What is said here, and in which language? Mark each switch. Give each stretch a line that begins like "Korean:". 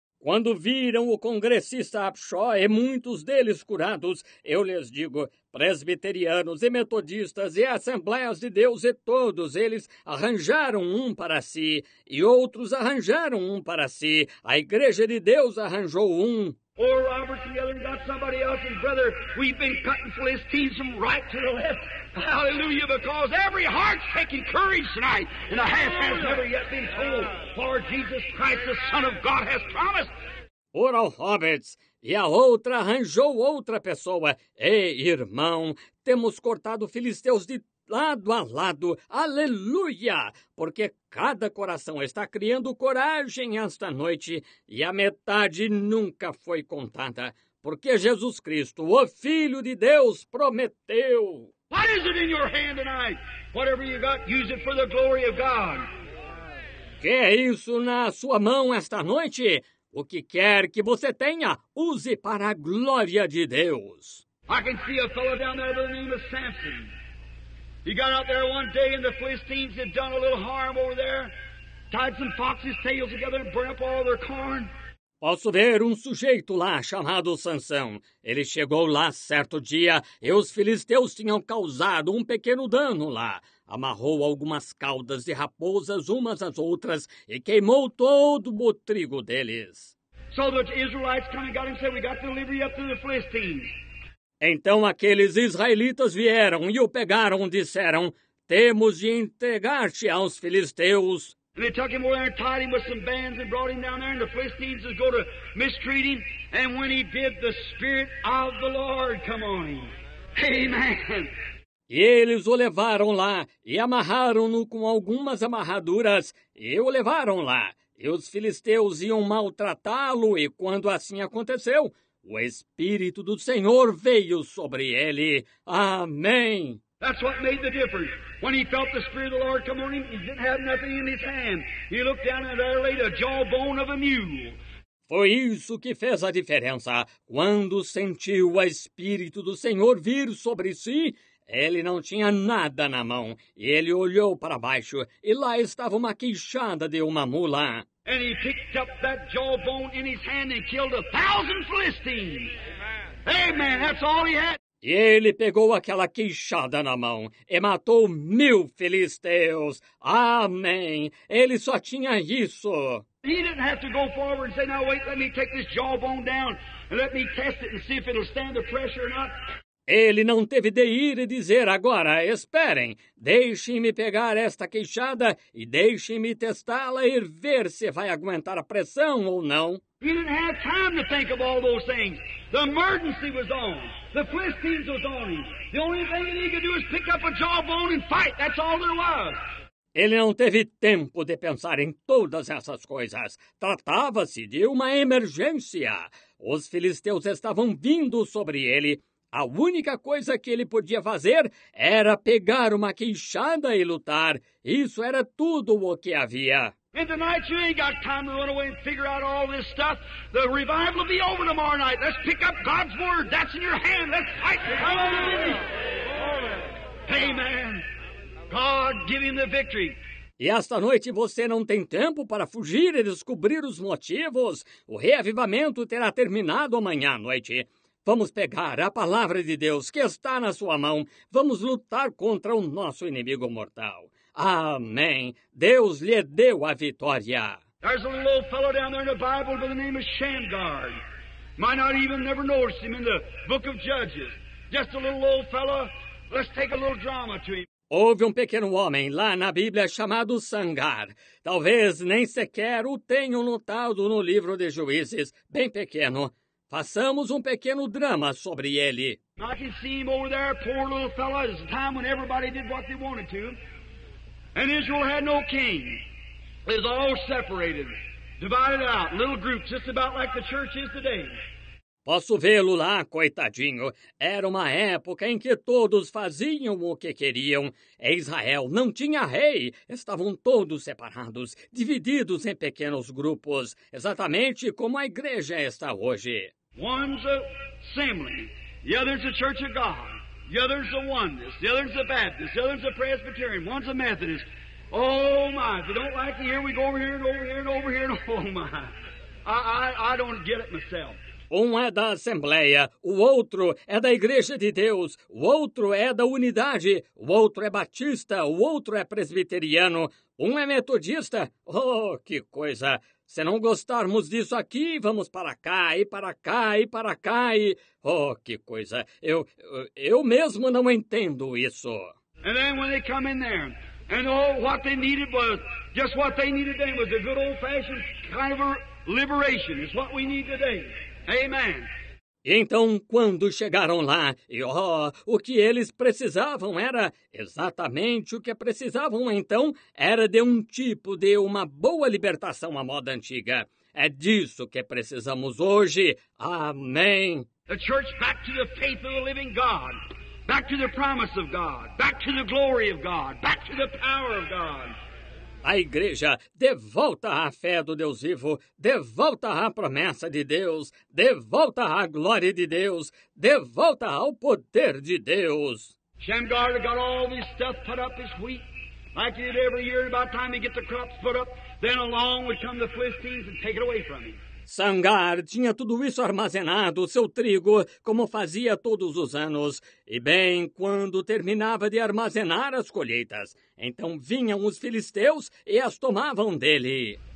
Portuguese: Quando viram o congressista Abshaw e muitos deles curados, eu lhes digo, presbiterianos e metodistas e assembleias de Deus e todos eles arranjaram um para si e outros arranjaram um para si. A Igreja de Deus arranjou um.
English: Or Robert and the other got somebody else. And brother, we've been cutting Philistines from right to the left. Hallelujah, because every heart's taking courage tonight. And a half has never yet been told. For Jesus Christ, the Son of God, has promised.
Portuguese: Ora, Roberts, e a outra arranjou outra pessoa. Ei, irmão, temos cortado filisteus de lado a lado. Aleluia! Porque cada coração está criando coragem esta noite e a metade nunca foi contada. Porque Jesus Cristo, o Filho de Deus, prometeu.
English: What is it in your hand tonight? Whatever you got, use it for the glory of God.
Portuguese: Que é isso na sua mão esta noite? O que quer que você tenha, use para a glória de Deus.
English: I can see a fellow down there by the name of Samson. He got out there one day and the Philistines had done a little harm over there. Tied some foxes' tails together and burned up all their corn.
Portuguese: Posso ver um sujeito lá chamado Sansão. Ele chegou lá certo dia e os filisteus tinham causado um pequeno dano lá. Amarrou algumas caudas de raposas umas às outras e queimou todo o trigo deles.
English: So the Israelites kind of got him and said, we got to deliver you up to the Philistines.
Portuguese: Então aqueles israelitas vieram e o pegaram e disseram, temos de entregar-te aos filisteus.
English: And they took him over there and tied him with some bands and brought him down there and the Philistines would go to mistreat him. And when he did, the Spirit of the Lord come on him. Amen.
Portuguese: E eles o levaram lá e amarraram-no com algumas amarraduras e o levaram lá. E os filisteus iam maltratá-lo e quando assim aconteceu, o Espírito do Senhor veio sobre ele. Amém.
English: That's what made the difference. When he felt the Spirit of the Lord come on him, he didn't have nothing in his hand. He looked down and there laid a jawbone of a mule.
Portuguese: Foi isso que fez a diferença. Quando sentiu o Espírito do Senhor vir sobre si, ele não tinha nada na mão. Ele olhou para baixo e lá estava uma queixada de uma mula.
English: And he picked up that jawbone in his hand and killed 1,000 Philistines. Amen, that's all he had.
Portuguese: E ele pegou aquela queixada na mão e matou 1,000 filisteus. Amém. Ele só tinha isso.
English: He didn't have to go forward and say, now wait, let me take this jawbone down and let me test it and see if it'll stand the pressure or not.
Portuguese: Ele não teve de ir e dizer, agora, esperem, deixem-me pegar esta queixada e deixem-me testá-la e ver se vai aguentar a pressão ou não.
English: He didn't have time to think of all those things. The emergency was on. The Philistines was on him. The only thing he could do is pick up a jawbone and fight. That's all there was.
Portuguese: Ele não teve tempo de pensar em todas essas coisas. Tratava-se de uma emergência. Os filisteus estavam vindo sobre ele. A única coisa que ele podia fazer era pegar uma queixada e lutar. Isso era tudo o que havia.
English: In the night you ain't got time to run away and figure out all this stuff. The revival will be over tomorrow night. Let's pick up God's word. That's in your hand. Let's fight. Hallelujah. Amen. God give him the victory.
Portuguese: E esta noite você não tem tempo para fugir e descobrir os motivos. O reavivamento terá terminado amanhã à noite. Vamos pegar a palavra de Deus que está na sua mão. Vamos lutar contra o nosso inimigo mortal. Amém. Deus lhe deu a vitória.
English: There's a little old fellow down there in the Bible by the name of Shamgar. Might not even never notice him in the book of Judges. Just a little old fellow. Let's take a little drama to him.
Portuguese: Houve um pequeno homem lá na Bíblia chamado Sangar. Talvez nem sequer o tenham notado no livro de Juízes. Bem pequeno. Façamos um pequeno drama sobre ele.
English: I can see him over there, poor little fellow. It's a time when everybody did what they wanted to. And Israel had no king. It was all separated, divided out, little groups, just about like the church is today.
Portuguese: Posso vê-lo lá, coitadinho. Era uma época em que todos faziam o que queriam. Israel não tinha rei. Estavam todos separados, divididos em pequenos grupos, exatamente como a igreja está hoje.
English: One's a assembly, the other's a church of God. The other's a oneness, the other's a Baptist, the other's a Presbyterian, one's a Methodist. Oh my, if you don't like to hear, we go over here and over here and over here and oh my. I don't get it myself.
Portuguese: Um é da Assembleia, o outro é da Igreja de Deus, o outro é da Unidade, o outro é Batista, o outro é Presbiteriano, um é Metodista. Oh, que coisa! Se não gostarmos disso aqui, vamos para cá e para cá e para cá e... Oh, que coisa! Eu mesmo não entendo isso.
English: And then when they come in there, and all what they needed was, just what they needed then was a good old-fashioned kind of liberation. It's what we need today. Amen.
Portuguese: Então, quando chegaram lá, e oh, o que eles precisavam era exatamente o que precisavam então, era de um tipo de uma boa libertação à moda antiga. É disso que precisamos hoje. Amém.
English: The church back to the faith of the living God, back to the promise of God, back to the glory of God, back to the power of God.
Portuguese: A igreja, de volta à fé do Deus vivo, de volta à promessa de Deus, de volta à glória de Deus, de volta ao poder de Deus.
English: Shamgar got all this stuff put up, his wheat, like he did every year, about time he get the crops put up, then along would come the Philistines and take it away from him.
Portuguese: Sangar tinha tudo isso armazenado, seu trigo, como fazia todos os anos. E bem, quando terminava de armazenar as colheitas, então vinham os filisteus e as tomavam dele.